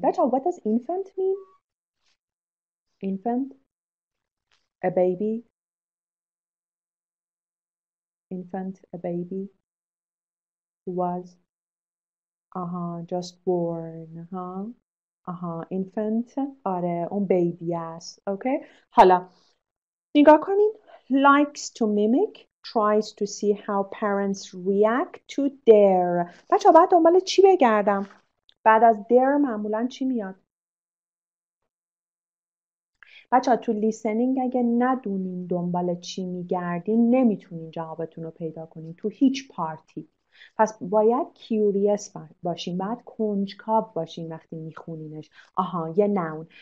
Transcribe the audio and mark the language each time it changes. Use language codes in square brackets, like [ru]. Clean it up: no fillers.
[fa] بچه [en] what does infant mean? Infant? A baby? Infant, a baby? Who was? Just born, infant, [fa] آره, اون baby است. [en] Okay? [fa] حالا, نگاه کنین. [en] Likes to mimic. Tries to see how parents react to their. [fa] بچه ها بعد دنبال چی بگردم؟ بعد از their معمولا چی میاد؟ بچه ها تو listening اگه ندونین دنبال چی میگردین نمیتونین جوابتون رو پیدا کنین تو هیچ پارتی. پس باید کیوریس باشیم، باید کنجکاو باشیم وقتی میخونینش. آها یه نون.